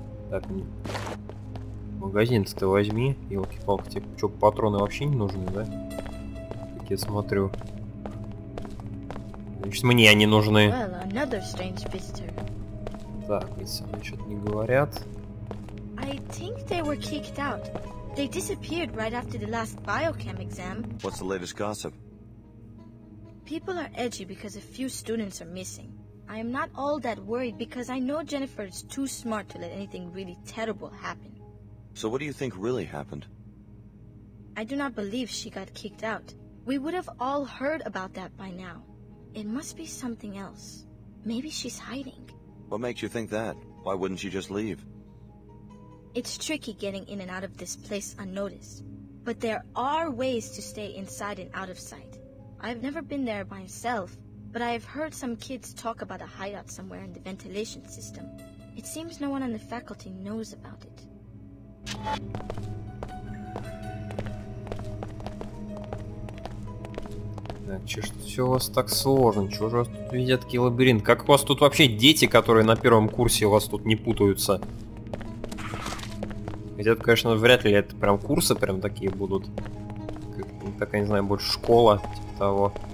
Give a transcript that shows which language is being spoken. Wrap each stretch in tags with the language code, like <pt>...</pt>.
<ru>Так, магазин-то ты возьми. Ёлки-палки, тебе чё, патроны вообще не нужны, да? Я смотрю. Значит, мне они нужны. Так, ведь они что-то не говорят.</ru> <en>I think they were kicked out. They disappeared right after the last biochem exam. What's the latest gossip? People are edgy because a few students are missing. I am not all that worried because I know Jennifer is too smart to let anything really terrible happen. So what do you think really happened? I do not believe she got kicked out. We would have all heard about that by now. It must be something else. Maybe she's hiding. What makes you think that? Why wouldn't she just leave? It's tricky getting in and out of this place unnoticed. But there are ways to stay inside and out of sight. I've never been there by myself, but I've heard some kids talk about a hideout somewhere in the ventilation system. It seems no one on the faculty knows about it.</en> <ru>Так, че ж тут все у вас так сложно? Че же у вас тут везде такие лабиринты? Как у вас тут вообще дети, которые на первом курсе у вас тут не путаются? Хотя, конечно, вряд ли это прям курсы прям такие будут. Как, такая, не знаю, больше школа, типа того.</ru>